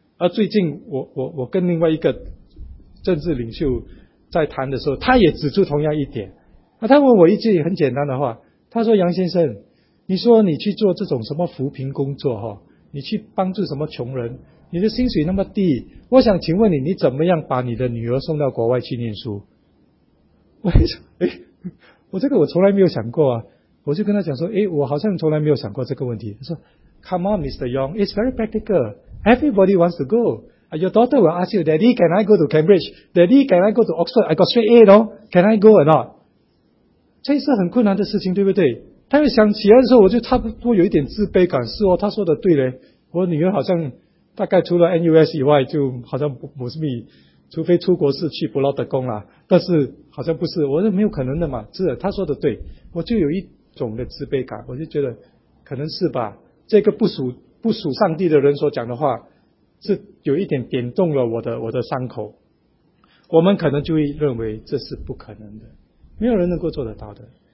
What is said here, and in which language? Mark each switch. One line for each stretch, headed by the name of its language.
Chinese: 最近我跟另外一个政治领袖在谈的时候，他也指出同样一点他问我一句很简单的话，他说，杨先生，你说你去做这种什么扶贫工作你去帮助什么穷人，你的薪水那么低，我想请问你，你怎么样把你的女儿送到国外去念书？我这个我从来没有想过我就跟他讲说，我好像从来没有想过这个问题。他说
English: Come on Mr. Young, it's very practical, everybody wants to go. Your daughter will ask you, Daddy, can I go to Cambridge? Daddy, can I go to Oxford? I got straight A, no? Can I go or not?
Chinese: 这是很困难的事情，对不对？他又想起来的时候，我就差不多有一点自卑感，是他说的对嘞，我女儿好像大概除了 NUS 以外就好像不是，除非出国是去布劳德宫啦，但是好像不是，我说没有可能的嘛，是的，他说的对，我就有一种的自卑感，我就觉得可能是吧，这个不属上帝的人所讲的话是有一点点动了我的伤口，我们可能就会认为这是不可能的，没有人能够做得到的。